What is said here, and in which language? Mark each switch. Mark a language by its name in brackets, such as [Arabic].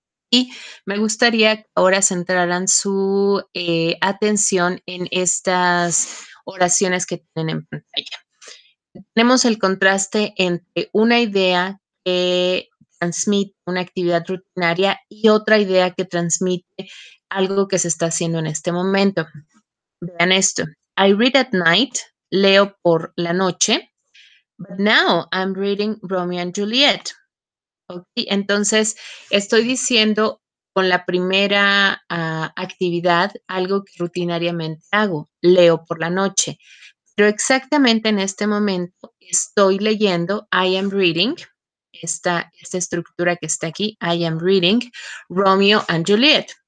[Spanish] Y me gustaría que ahora centraran su atención en estas oraciones que tienen en pantalla. Tenemos el contraste entre una idea que transmite una actividad rutinaria y otra idea que transmite algo que se está haciendo en este momento. Vean esto. [English] I read at night, [Spanish] leo por la noche, [English] but now I'm reading Romeo and Juliet. [Spanish] Okay, entonces, estoy diciendo con la primera actividad algo que rutinariamente hago, leo por la noche. Pero exactamente en este momento estoy leyendo, [English] I am reading, [Spanish] esta estructura que está aquí, [English] I am reading Romeo and Juliet.